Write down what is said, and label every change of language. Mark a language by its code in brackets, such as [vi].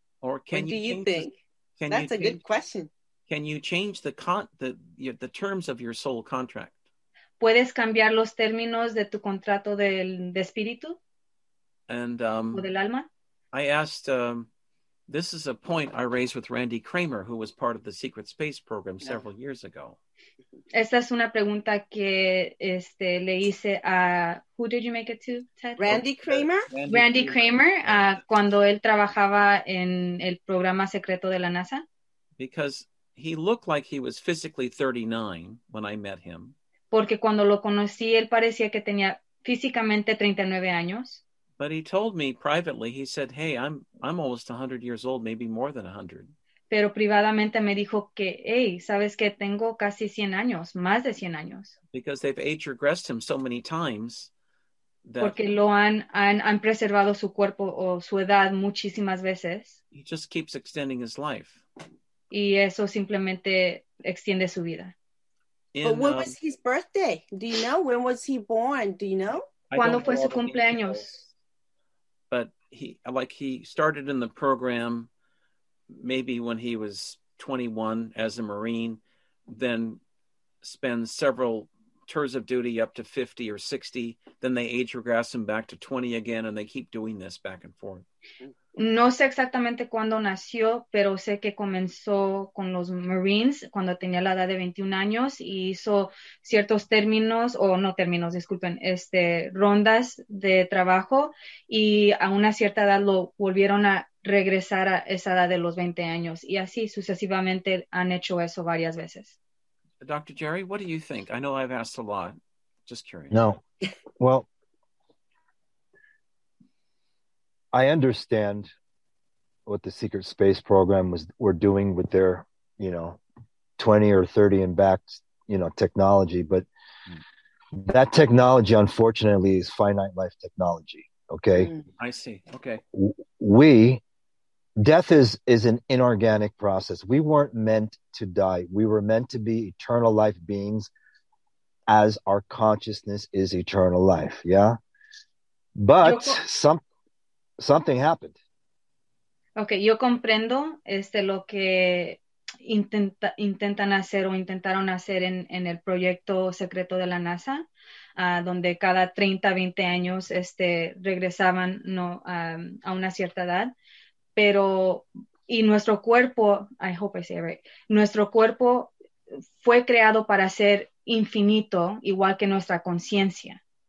[en] Or can what you do you think? That's a good question. Can you change the terms of your soul contract? [es] ¿Puedes cambiar los términos de tu contrato de espíritu? [en] And, [es] ¿o del alma? [en] I asked, this is a point I raised with Randy Kramer, who was part of the Secret Space program several years ago. [es] Esta es una pregunta que le hice a, [en] who did you make it to, Ted? Randy Kramer. [es] Randy Kramer, cuando él trabajaba en el programa secreto de la NASA. [en] Because he looked like he was physically 39 when I met him. [es] Porque cuando lo conocí, él parecía que tenía físicamente 39 años. [en] But he told me privately, he said, hey, I'm almost 100 years old, maybe more than 100. [es] Pero privadamente me dijo que, hey, ¿sabes que tengo casi 100 años, más de 100 años? [en] Because they've age regressed him so many times. That [es] porque lo han preservado su cuerpo o su edad muchísimas veces. [en] He just keeps extending his life. [es] Y eso simplemente extiende su vida. [en] But when was his birthday? Do you know? When was he born? Do you know? [es] ¿Cuándo fue su cumpleaños? [en] But he started in the program maybe when he was 21 as a Marine, then spends several tours of duty up to 50 or 60, then they age regress him back to 20 again, and they keep doing this back and forth. [es] No sé exactamente cuándo nació, pero sé que comenzó con los Marines cuando tenía la edad de 21 años y hizo ciertos términos, o no términos, disculpen, rondas de trabajo, y a una cierta edad lo volvieron a regresar a esa edad de los 20 años. Y así sucesivamente han hecho eso varias veces. [en] Dr. Jerry, what do you think? I know I've asked a lot. Just curious. No. Well, I understand what the Secret Space Program were doing with their, 20 or 30 and back, technology. But that technology, unfortunately, is finite life technology. Okay. I see. Okay. Death is an inorganic process. We weren't meant to die. We were meant to be eternal life beings as our consciousness is eternal life. Yeah. But something happened. [es] Okay, yo comprendo lo que intentan hacer o intentaron hacer en el proyecto secreto de la NASA, donde cada 30, 20 años regresaban a una cierta edad, pero y nuestro cuerpo, [en] I hope I say it right, [es] nuestro cuerpo fue creado para ser infinito, igual que nuestra conciencia.